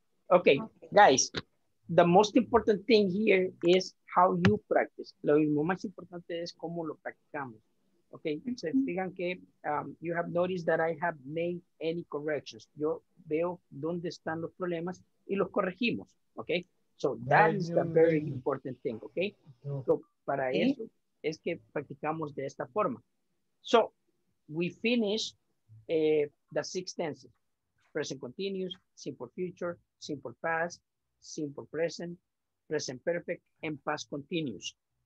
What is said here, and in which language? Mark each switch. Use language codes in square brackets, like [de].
[en] Okay, guys, the most important thing here is how you practice. [es] Lo mismo más importante es cómo lo practicamos. [en] Okay, so [es] fíjense que [en] you have noticed that I have made any corrections. [es] Yo veo dónde están los problemas y los corregimos, okay? [en] So that is the very important thing, okay? [es] So para eso es que practicamos de esta forma. [en] So we finish the six tenses. Present continuous, simple future, simple past, simple present, present perfect, and past continuous.